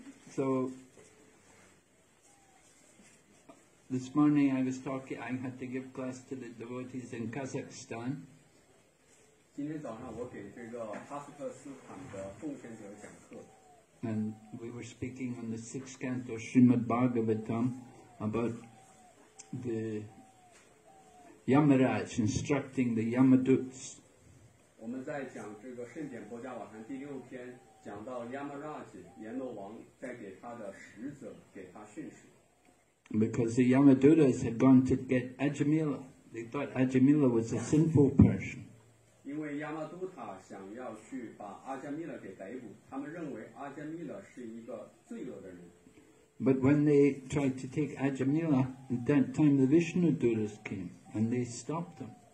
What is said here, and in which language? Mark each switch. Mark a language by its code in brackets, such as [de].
[en] So, this morning I was talking, I had to give class to the devotees in Kazakhstan. [zh] 今天早上我给这个哈萨克斯坦的奉献者讲课。 [en] And we were speaking on the sixth canto Srimad Bhagavatam about the Yamaraj instructing the Yamaduts. [zh] 我们在讲这个圣典佛家瓦坛第六篇，讲到Yamaraj阎罗王在给他的使者给他训示。 [en] Because the Yamadutas had gone to get Ajamila. They thought Ajamila was a sinful person. [zh] 因为亚玛都塔想要去把阿加米勒给逮捕，他们认为阿加米勒是一个罪恶的人。 [en] But when they tried to take Ajamila, at that time the Vishnu Dutas came and they stopped them.